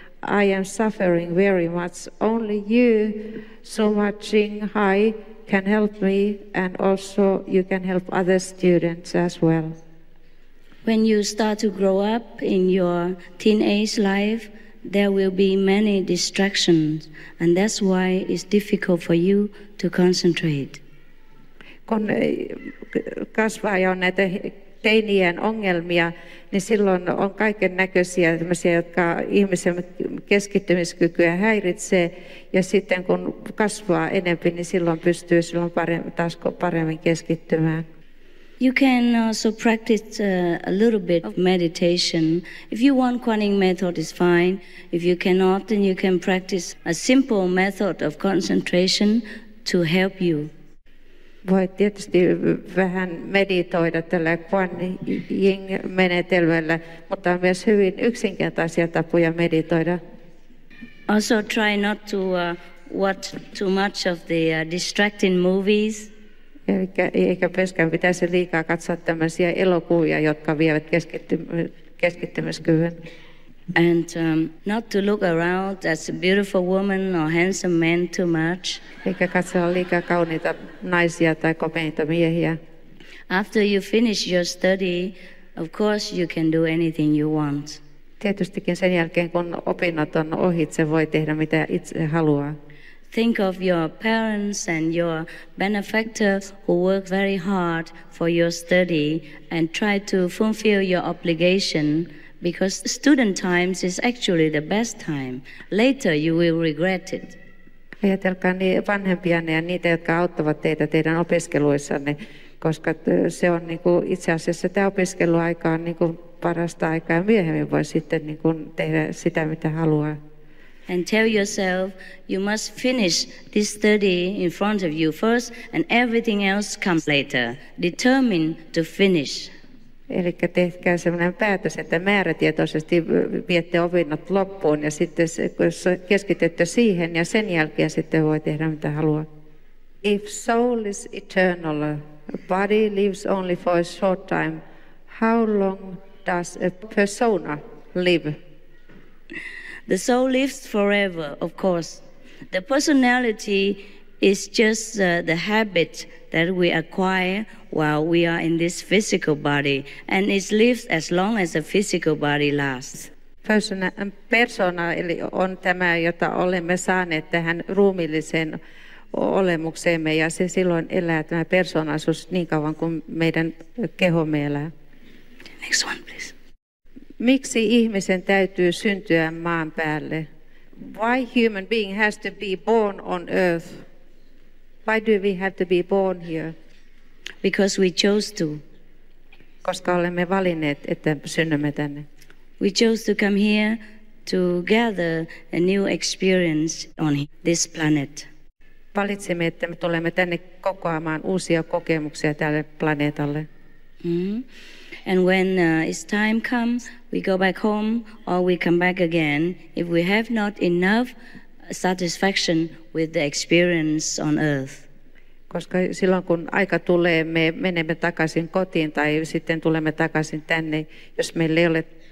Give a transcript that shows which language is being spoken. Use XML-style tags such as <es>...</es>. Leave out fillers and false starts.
<en>I am suffering very much. Only you, so much Qinghai, can help me, and also you can help other students as well. When you start to grow up in your teenage life, there will be many distractions, and that's why it's difficult for you to concentrate.</en> <fi>Kun kasvaa jo näitä teinien ongelmia, niin silloin on kaiken näköisiä tämmöisiä, jotka ihmisen keskittymiskykyä häiritsee, ja sitten kun kasvaa enempi, niin silloin pystyy silloin paremmin keskittymään.</fi> <en>You can also practice a little bit of meditation. If you want Quan Yin method, it's fine. If you cannot, then you can practice a simple method of concentration to help you.</en> <fi>Voi tietysti vähän meditoida tällä Quan Yin -menetelmällä, mutta on myös hyvin yksinkertaisia tapoja meditoida.</fi> <en>Also try not to watch too much of the distracting movies.</en> <fi>Eikä myöskään pitäisi liikaa katsoa tämmöisiä elokuvia, jotka vievät keskittymiskyvyn.</fi> <en>And not to look around as a beautiful woman or handsome man too much.</en> <fi>Eikä katsoa liikaa kauniita naisia tai komeita miehiä.</fi> <en>After you finish your study, of course you can do anything you want.</en> <fi>Tietystikin sen jälkeen, kun opinnot on ohitse, voi tehdä mitä itse haluaa.</fi> <en>Think of your parents and your benefactor who work very hard for your study and try to fulfill your obligation. Because student times is actually the best time. Later you will regret it.</en> <fi>Ajatelkaa vanhempianne ja niitä, jotka auttavat teitä teidän opiskeluissanne, koska se on niinku itse asiassa tämä opiskeluaika on niinku parasta aikaa, ja myöhemmin voi sitten niinku tehdä sitä, mitä haluaa.</fi> <en>And tell yourself you must finish this study in front of you first and everything else comes later. Determine to finish.</en> <fi>Eli tehkää sellainen päätös, että määrätietoisesti viette opinnot loppuun ja sitten keskitytte siihen ja sen jälkeen sitten voi tehdä mitä haluaa.</fi> <en>If soul is eternal, a body lives only for a short time, how long does a persona live? The soul lives forever, of course. The personality is just the habit that we acquire while we are in this physical body, and it lives as long as the physical body lasts.</en> <fi>Persona eli on tämä, jota olemme saaneet tähän ruumiilliseen olemukseemme, ja se silloin elää tämä persoonallisuus niin kauan kuin meidän kehomme elää.</fi> <en>Next one, please.</en> <fi>Miksi ihmisen täytyy syntyä maan päälle?</fi> <en>Why human being has to be born on earth? Why do we have to be born here? Because we chose to.</en> <fi>Koska olemme valinneet, että synnymme tänne.</fi> <en>We chose to come here to gather a new experience on this planet.</en> <fi>Valitsimme, että me tulemme tänne kokoamaan uusia kokemuksia tälle planeetalle. Mm-hmm.</fi> <en>And when it's time comes, we go back home or we come back again if we have not enough satisfaction with the experience on earth.</en> <fi>Koska silloin kun aika tulee, me menemme takaisin kotiin tai sitten tulemme takaisin tänne, jos meillä ei ole.</fi>